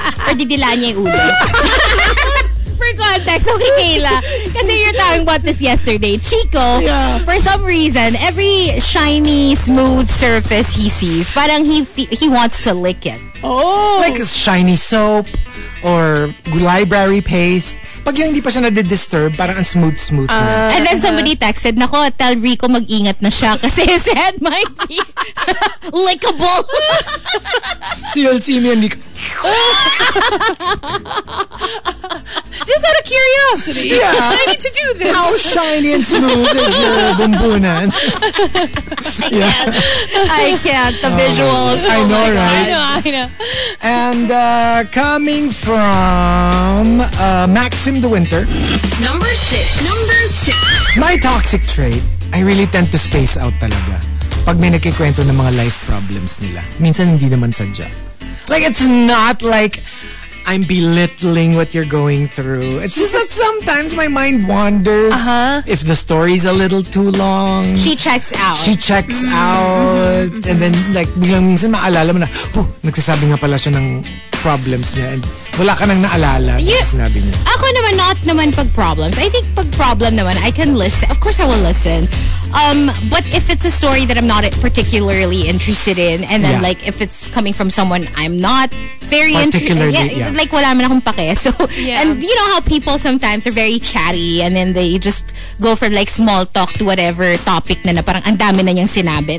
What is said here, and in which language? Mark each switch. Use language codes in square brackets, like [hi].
[tl] Or didilaan niya yung ulo. [en] For context, [tl] okay, Kayla. [en] Kasi you're talking about this yesterday. Chico, for some reason, every shiny, smooth surface he sees, parang he wants to lick it. Oh! Like shiny soap or library paste. [tl] Pag yung hindi pa siya nadidisturb, parang ang smooth-smooth na. [en] And then somebody texted, nako, tell Rico [tl] mag-ingat na siya kasi [en] his head might be lickable. So you'll see me and Rico. Just out of curiosity. Yeah. I need to do this. How shiny and smooth is your bumbunan? I can't. The visuals. I know, oh right? I know. And coming from Maxim the Winter. Number six. My toxic trait, I really tend to space out [tl] talaga pag may nakikwento ng mga life problems nila. Minsan hindi naman sadya. [en] Like, it's not like I'm belittling what you're going through. It's just that sometimes my mind wanders if the story's a little too long. She checks out. [tl] And then, like, biglang minsan maalala mo na, nagsasabi nga pala siya ng problems niya. And wala ka nang naalala na sinabi niya. Ako naman, not naman pag problems. [en] I think pag problem naman, I can listen. Of course, I will listen. But if it's a story that I'm not particularly interested in, and then like if it's coming from someone I'm not very particularly [tl] interested in, like wala man akong pake. [en] So, and you know how people sometimes are very chatty and then they just go for like small talk to whatever topic [tl] na parang ang dami na niyang sinabi.